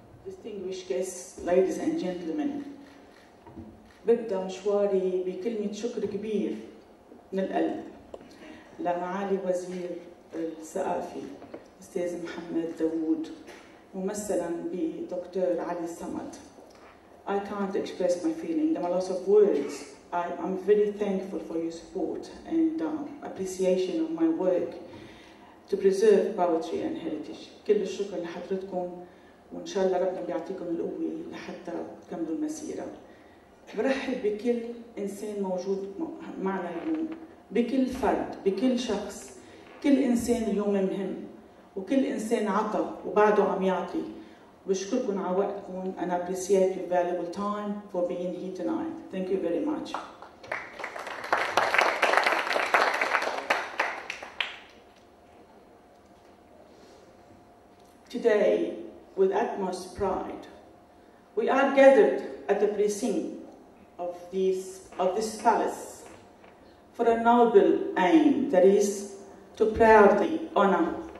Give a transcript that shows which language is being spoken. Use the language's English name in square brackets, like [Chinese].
[English] Distinguished guests, ladies and gentlemen, [Arabic] ببدأ مشواري بكلمة شكر كبير من القلب لمعالي وزير الثقافة أستاذ محمد داوود ممثلاً بدكتور علي الصمد. [English] I can't express my feeling, there are lots of words. I'm very thankful for your support and appreciation of my work to preserve poetry and heritage. [Arabic] كل الشكر لحضرتكم وإن شاء الله ربنا بيعطيكم القوة لحتى تكملوا المسيرة. برحب بكل إنسان موجود معنا اليوم، بكل فرد، بكل شخص، كل إنسان اليوم مهم، وكل إنسان عطى وبعده عم يعطي. بشكركم على وقتكم. [English] أنا appreciate your valuable time for being here tonight. Thank you very much. Today, with utmost pride, we are gathered at the precinct of this palace for a noble aim, that is to proudly honor